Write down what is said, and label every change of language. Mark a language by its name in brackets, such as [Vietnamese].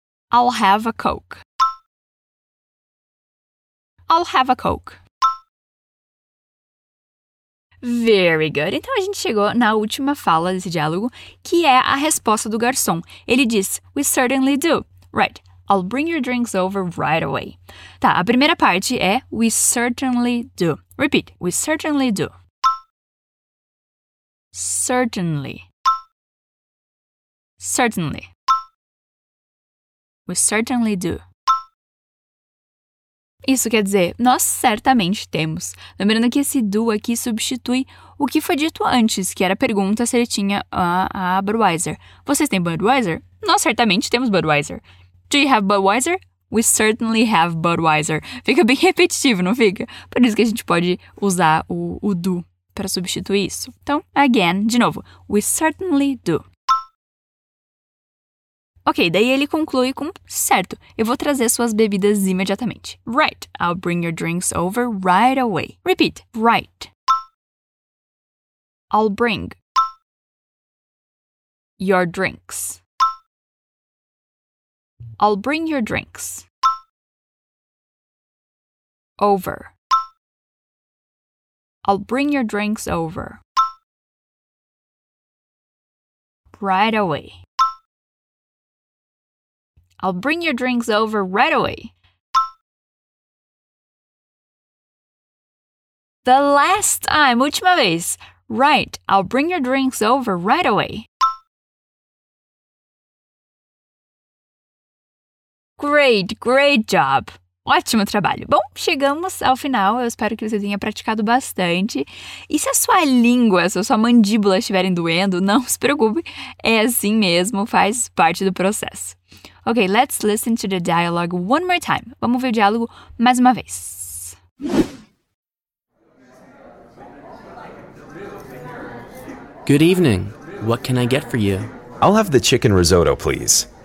[English] I'll have a Coke. I'll have a Coke. Very good. [Portuguese] Então, a gente chegou na última fala desse diálogo, que é a resposta do garçom. Ele diz, [English] we certainly do. Right, I'll bring your drinks over right away. [Portuguese] Tá, a primeira parte é, [English] we certainly do. Repeat, we certainly do. Certainly. Certainly. We certainly do. [Portuguese] Isso quer dizer, nós certamente temos. Lembrando que esse do aqui substitui o que foi dito antes, que era a pergunta se ele tinha a Budweiser. Vocês têm Budweiser? Nós certamente temos Budweiser. [English] Do you have Budweiser? We certainly have Budweiser. [Portuguese] Fica bem repetitivo, não fica? Por isso que a gente pode usar o do para substituir isso. Então, [English] again, [Portuguese] de novo, [English] we certainly do. [Portuguese] Ok, daí ele conclui com, certo, eu vou trazer suas bebidas imediatamente. [English] Right, I'll bring your drinks over right away. Repeat, right. I'll bring your drinks. I'll bring your drinks. over. I'll bring your drinks over. Right away. I'll bring your drinks over right away. The last time, [Portuguese] última vez. [English] Right, I'll bring your drinks over right away. Great, great job! [Portuguese] Ótimo trabalho! Bom, chegamos ao final. Eu espero que você tenha praticado bastante. E se a sua língua, se a sua mandíbula estiverem doendo, não se preocupe. É assim mesmo, faz parte do processo. [English] Ok, let's listen to the dialogue one more time. [Portuguese] Vamos ver o diálogo mais uma vez. [English] Good evening. What can I get for you? I'll have the chicken risotto, please.